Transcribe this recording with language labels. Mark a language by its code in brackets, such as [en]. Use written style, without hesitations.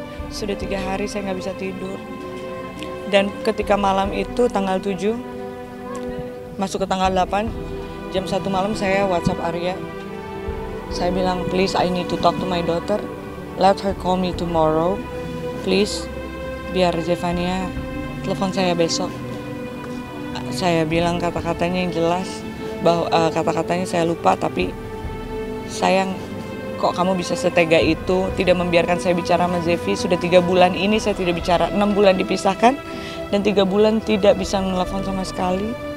[id] Sudah tiga hari saya nggak bisa tidur. Dan ketika malam itu tanggal 7, masuk ke tanggal 8, jam 1 malam saya WhatsApp Arya. Saya bilang, [en] please I need to talk to my daughter. Let her call me tomorrow. [id] Please, biar Zefania telepon saya besok. Saya bilang kata-katanya yang jelas, bahwa kata-katanya saya lupa, tapi sayang, kok kamu bisa setega itu tidak membiarkan saya bicara sama Zevi. Sudah 3 bulan ini saya tidak bicara, 6 bulan dipisahkan dan 3 bulan tidak bisa menelpon sama sekali.